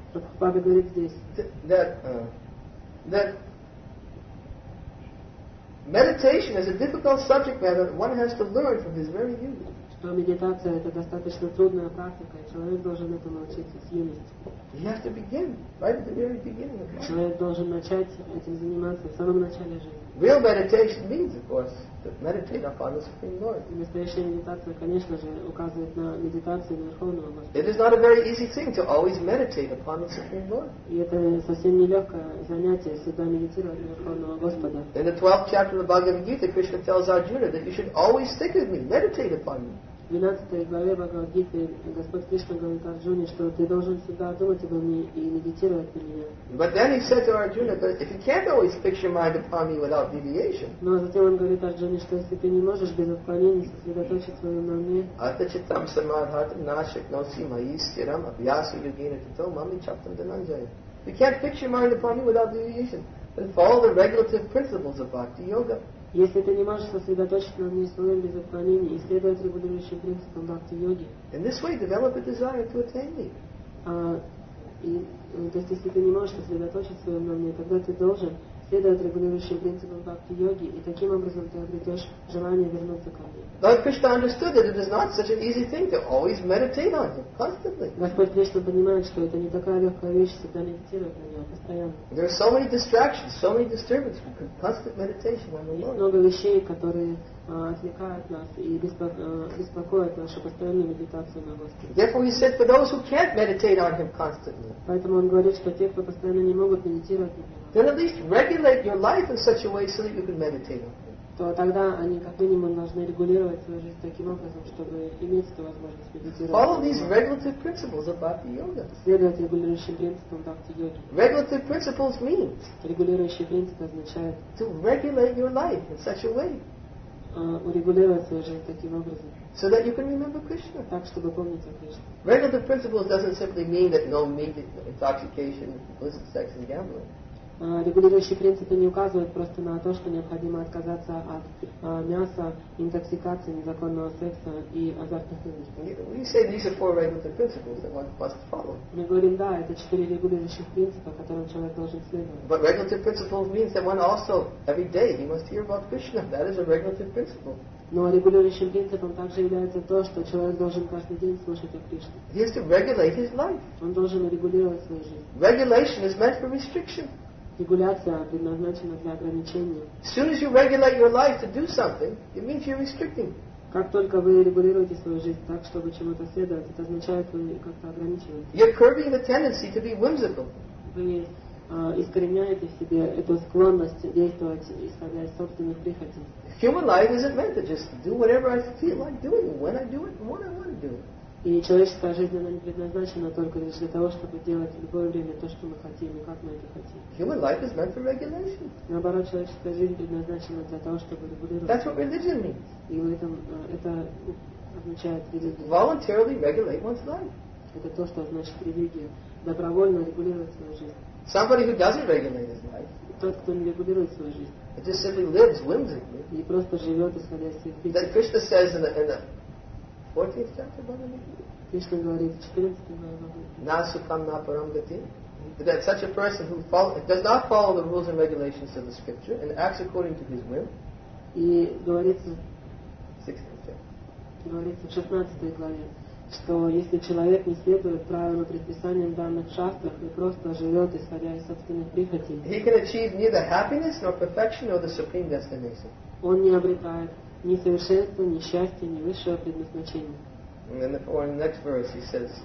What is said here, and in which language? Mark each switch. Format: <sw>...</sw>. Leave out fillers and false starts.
<ru>Прабхупада говорит здесь.</ru> <en>That meditation is a difficult subject matter that one has to learn from his very youth.</en> <ru>Что медитация это достаточно трудная практика, и человек должен этому учиться с юности.</ru> <en>He has to begin right at the very beginning. Okay?</en> <ru>Человек должен начать этим заниматься в самом начале жизни.</ru> <en>Real meditation means, of course, to meditate upon the Supreme Lord.</en> <ru>И настоящая медитация, конечно же, указывает на медитацию на Верховного Господа.</ru> <en>It is not a very easy thing to always meditate upon the Supreme Lord.</en> <ru>И это совсем нелегкое занятие всегда медитировать на Верховного Господа.</ru> <en>In the 12th chapter of the Bhagavad Gita, Krishna tells Arjuna that you should always think of me, meditate upon me.</en> <ru>В 12 главе Бхагавад Гиты Господь Кришна говорит Арджуне, что ты должен всегда думать обо мне и медитировать на меня.</ru> <en>But then he said to Arjuna, but if you can't always fix your mind upon me without deviation.</en> <ru>Но затем он говорит Арджуне, что если ты не можешь без отклонений сосредоточить свое на мне.</ru> <sa>Атачитам самадхатам нашек носи мои стирам абьясу югина титал мами чаптам дананджая.</sa> <en>You can't fix your mind upon me without deviation. Then follow the regulative principles of bhakti yoga.</en> <ru>Если ты не можешь сосредоточить на мне своем без отклонений и следовать регулирующим принципам бхакти-йоги.</ru> <en>In this way, develop a desire to attain me.</en> <ru>То есть, если ты не можешь сосредоточить свое на мне, тогда ты должен следуя регулирующим принципам бхакти-йоги, и таким образом ты обретешь желание вернуться ко мне.</ru> <en>Lord Krishna understood that it is not such an easy thing to always meditate on him constantly.</en> <ru>Господь Кришна понимает, что это не такая легкая вещь, всегда медитировать на него постоянно.</ru> <en>There are so many distractions, so many disturbances from constant meditation on the Lord.</en> <ru>Есть много вещей, которые отвлекают нас и беспокоят нашу постоянную медитацию на Господе.</ru> <en>Therefore, he said, for those who can't meditate on him constantly.</en> <ru>Поэтому он говорит, что те, кто постоянно не могут медитировать на него.</ru> <en>Then at least regulate your life in such a way so that you can meditate.</en> <ru>То тогда они как минимум должны регулировать свою жизнь таким образом, чтобы иметь эту возможность медитировать.</ru> <en>Follow these regulative principles of bhakti yoga.</en> <ru>Следовать регулирующим принципам bhakti yoga.</ru> <en>Regulative principles means.</en> <ru>Регулирующие принципы означают.</ru> <en>To regulate your life in such a way.</en> <ru>Урегулировать свою жизнь таким образом.</ru> <en>So that you can remember Krishna.</en> <ru>Так чтобы помнить о Кришне.</ru> <en>Regulative principles doesn't simply mean that no meat, intoxication, illicit sex and gambling.</en> <ru>Регулирующие принципы не указывают просто на то, что необходимо отказаться от мяса, интоксикации, незаконного секса и азартных игр. Мы говорим, да, это четыре регулирующих принципа, которым человек должен следовать.</ru> <en>But regulative principles means that one also every day he must hear about Krishna. That is a regulative principle.</en> <ru>Но регулирующим принципом также является то, что человек должен каждый день слушать о Кришне.</ru> <en>He has to regulate his life.</en> <ru>Он должен регулировать свою жизнь.</ru> <en>Regulation is meant for restriction.</en> <ru>Регуляция предназначена для ограничения.</ru> <en>As soon as you regulate your life to do something, it means you're restricting.</en> <ru>Как только вы регулируете свою жизнь так, чтобы чему-то следовать, это означает, вы как-то ограничиваете.</ru> <en>You're curbing the tendency to be whimsical.</en> <ru>Вы искореняете в себе эту склонность действовать, исходя из собственных прихотей.</ru> <en>Human life isn't meant to just do whatever I feel like doing, when I do it, and what I want to do.</en> <ru>И человеческая жизнь, она не предназначена только лишь для того, чтобы делать в любое время то, что мы хотим, и как мы это хотим.</ru> <en>Human life is meant for regulation.</en> <ru>Наоборот, человеческая жизнь предназначена для того, чтобы регулировать.</ru> <en>That's what religion means.</en> <ru>И в этом это означает религия.</ru> <en>Voluntarily regulate one's life.</en> <ru>Это то, что значит религия. Добровольно регулировать свою жизнь.</ru> <en>Somebody who doesn't regulate his life. Тот, кто не регулирует свою жизнь.</en> <ru>Just simply lives whimsically. И просто живет, исходя из своих причин.</ru> <en>That Krishna says in the 14th chapter of Bhagavad Gita.</en> <ru>Krishna говорит в 14th Bhagavad</ru> <sa>Gita. Nasukam na param gati.</sa> <en>That such a person who does not follow the rules and regulations of the scripture and acts according to his will.</en> <ru>И говорит</ru> <en>16th chapter.</en> <ru>Говорится в 16 главе, что если человек не следует правилам и предписаниям данных шастр и просто живет, исходя из собственных прихотей,</ru> <en>he can achieve neither happiness nor perfection nor the supreme destination.</en> <ru>Он не обретает ни совершенства, ни счастья, ни высшего предназначения.</ru> <en>And then in the next verse he says,</en>